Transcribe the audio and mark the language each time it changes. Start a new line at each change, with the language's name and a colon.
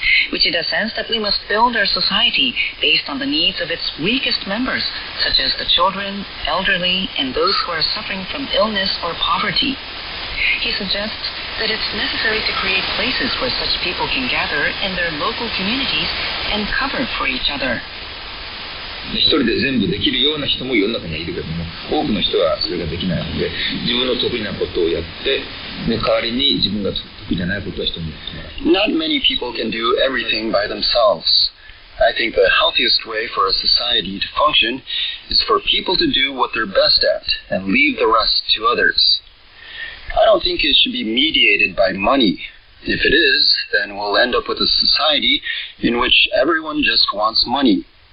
English: Uchida says that we must build our society based on the needs of its weakest members, such as the children, elderly, and those who are suffering from illness or poverty. He suggests that it's necessary to create places where such people can gather in their local communities and cover for each other.
Japanese: 一人で全部できるような人も世の中にはいるけども、多くの人はそれができないので、自分の得意なことをやって、で代わりに自分が得意じゃないことは人にやってもらう。
English: Not many people can do everything by themselves. I think the healthiest way for a society to function is for people to do what they're best at and leave the rest to others. I don't think it should be mediated by money. If it is, then we'll end up with a society in which everyone just wants money.